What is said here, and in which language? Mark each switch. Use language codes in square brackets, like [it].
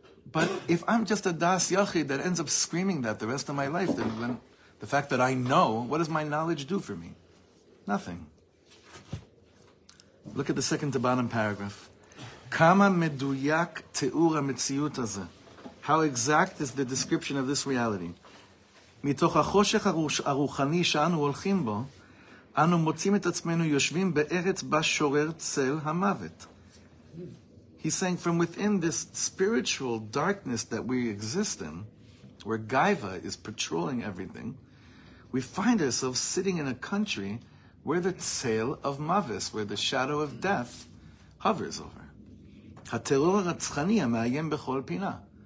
[en] But if I'm just a das yachid that ends up screaming that the rest of my life, then the fact that I know, what does my knowledge do for me? Nothing. Look at the second to bottom paragraph. [he] Kama meduyak te'ur ha-metziyut hazeh. [en] How exact is the description of this reality? [he] Mitoch ha-choshech ha-ruchani she'anu holchim bo, אנו מוצאים את עצמנו יושבים בארץ בשורר צל המוות. [en] He's saying, from within this spiritual darkness that we exist in, where Gaiva is patrolling everything, we find ourselves sitting in a country where the tzel of mavis, where the shadow of death, hovers over. [he] הטרור הרצחני המאיים בכל פינה.